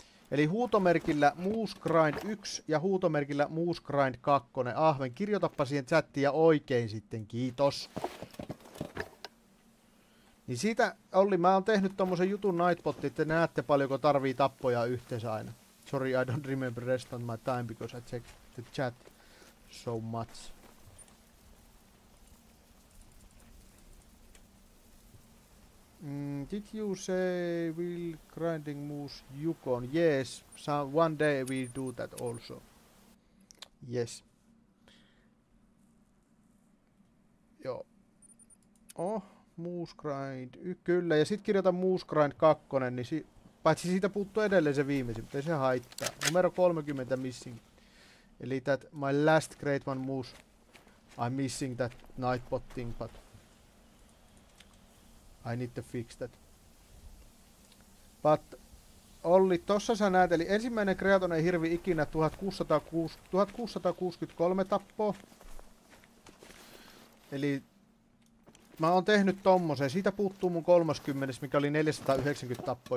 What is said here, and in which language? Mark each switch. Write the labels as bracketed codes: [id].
[fi] Eli huutomerkillä Moose Grind 1 ja huutomerkillä Moose Grind 2. Ahven, kirjoitapa siihen chattiin ja oikein sitten, kiitos. Niin siitä, Olli, mä oon tehnyt tommosen jutun Nightbot, että näette paljonko tarvii tappoja yhteensä aina. [en] Sorry, I don't remember rest on my time because I check the chat so much. Did you say we'll grinding moose Yukon? Yes, some one day we'll do that also. Yes. Joo. Oh, moose grind. [fi] Kyllä, ja sit kirjoitan moose grind 2, niin paitsi siitä puuttuu edelleen se viimeisin, mutta ei se haittaa. [en] Numero 30 missing. Eli that my last great one moose. I'm missing that nightbot thing, but I need to fix that. [fi] But Olli, tossa sä näet, eli ensimmäinen kreatonen hirvi ikinä 1663 tappoa. Eli mä oon tehnyt tommosen, siitä puuttuu mun 30, mikä oli 490 tappoa.